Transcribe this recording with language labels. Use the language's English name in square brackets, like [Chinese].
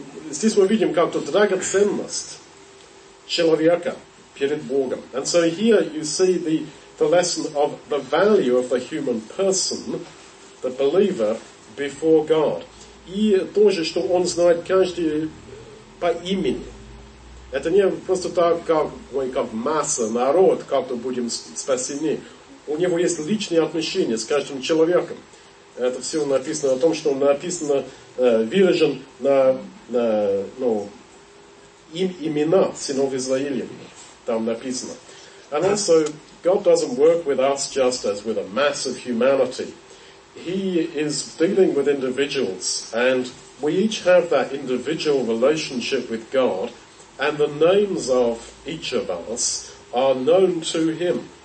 [Russian] Здесь мы видим как-то драгоценность человека перед Богом. [English] And so here you see the lesson of the value of the human person, the believer, before God. [Russian] И тоже, что он знает каждый по имени. Это не просто так, как мы, как масса, народ, как-то будем спасены. У него есть личные отношения с каждым человеком. Это все написано о том, что написано выражен на, ну, имена, сынов Израилем, там написано. [English] And also, God doesn't work with us just as with a mass of humanity. He is dealing with individuals, and we each have that individual relationship with God, and the names of each of us are known to Him.